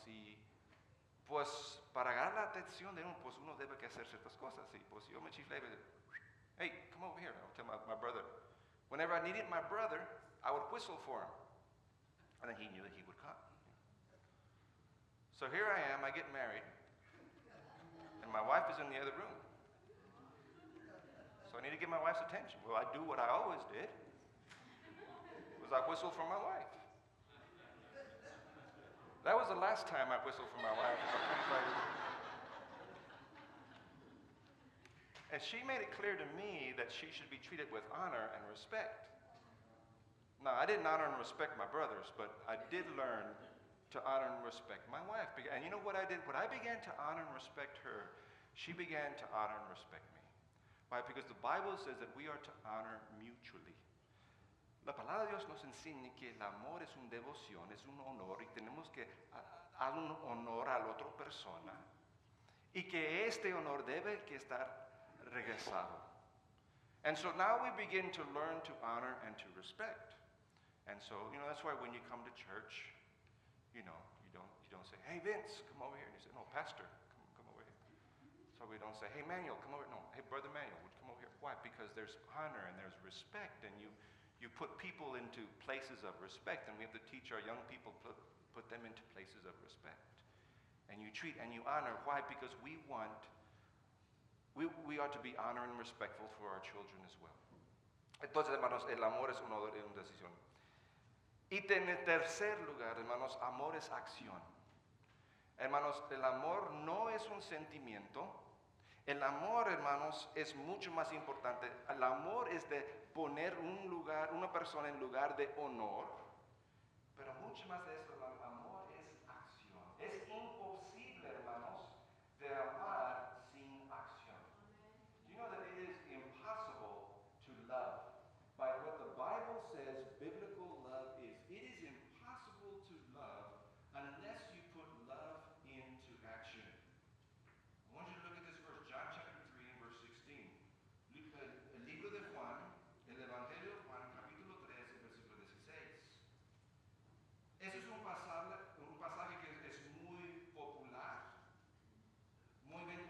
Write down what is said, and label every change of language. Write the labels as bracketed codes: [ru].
[es] Y pues para ganar la atención de uno, pues uno debe que hacer ciertas cosas. Y pues yo me chiflé, [en] hey, come over here. I'll tell my brother. Whenever I needed my brother, I would whistle for him. And then he knew that he would come. So here I am, I get married, and my wife is in the other room. So I need to get my wife's attention. Well, I do what I always did, was I whistle for my wife. That was the last time I whistled for my wife. And she made it clear to me that she should be treated with honor and respect. Now, I didn't honor and respect my brothers, but I did learn to honor and respect my wife. And you know what I did? When I began to honor and respect her, she began to honor and respect me. Why? Because the Bible says that we are to honor mutually. [es] La palabra de Dios nos enseña que el amor es una devoción, es un honor, y tenemos que dar un honor a la otra persona, y que este honor debe que estar regresado. [en] And so now we begin to learn to honor and to respect. And so, you know, that's why when you come to church, you know, you don't say, hey, Vince, come over here. And you say, no, Pastor, come over here. So we don't say, hey, Manuel, come over here. No, hey, Brother Manuel, would you come over here? Why? Because there's honor and there's respect, and you put people into places of respect, and we have to teach our young people, put them into places of respect. And you treat and you honor. Why? Because we ought to be honor and respectful for our children as well. [es] Entonces, hermanos, el amor es una decisión. Y en tercer lugar, hermanos, amor es acción. Hermanos, el amor no es un sentimiento. El amor, hermanos, es mucho más importante. El amor es de poner un lugar, una persona en lugar de honor. Pero mucho más de eso, el amor es acción. Es imposible, hermanos, de amar sin acción. [en] You know that it is impossible to love. By what the Bible says, biblical love is. It is impossible to love unless you put love into action. I want you to look at this verse, John chapter 3 and verse 16. [es] El libro de Juan, el Evangelio de Juan, capítulo 3, versículo 16. Ese es un pasaje que es muy popular, muy